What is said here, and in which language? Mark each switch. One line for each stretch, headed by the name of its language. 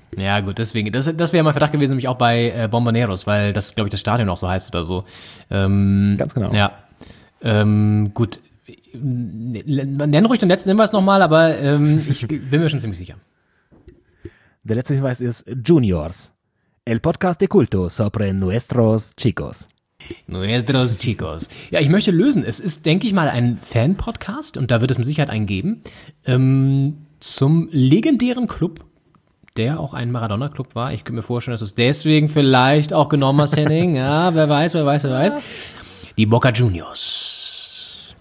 German: Ja gut, deswegen, das wäre mein Verdacht gewesen, nämlich auch bei Bomboneros, weil das, glaube ich, das Stadion auch so heißt oder so. Ganz genau. Ja, gut, nenn ruhig den letzten Hinweis nochmal, aber ich bin mir schon ziemlich sicher. Der letzte Hinweis ist Juniors.
Spanish: El podcast de culto sobre nuestros chicos. Nuestros chicos.
German: Ja, ich möchte lösen. Es ist, denke ich mal, ein Fan-Podcast, und da wird es mit Sicherheit einen geben, zum legendären Club, der auch ein Maradona-Club war. Ich könnte mir vorstellen, dass du es deswegen vielleicht auch genommen hast, Henning. Ja, wer weiß. Die Boca Juniors.